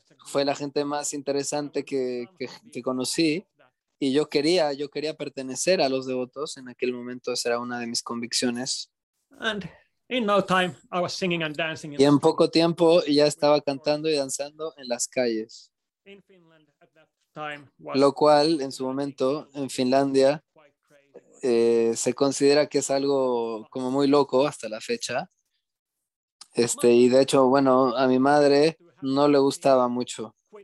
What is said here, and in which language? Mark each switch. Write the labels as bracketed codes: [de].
[es] Fue la gente más interesante que conocí, y yo quería pertenecer a los devotos. En aquel momento esa era una de mis convicciones. [en] In no time, I was singing and dancing. [es] Y en poco tiempo ya estaba cantando y danzando en las calles. [en] In Finland at that time was, [es] lo cual en su momento en Finlandia se considera que es algo como muy loco hasta la fecha. Este, y de hecho, bueno, a mi madre no le gustaba mucho.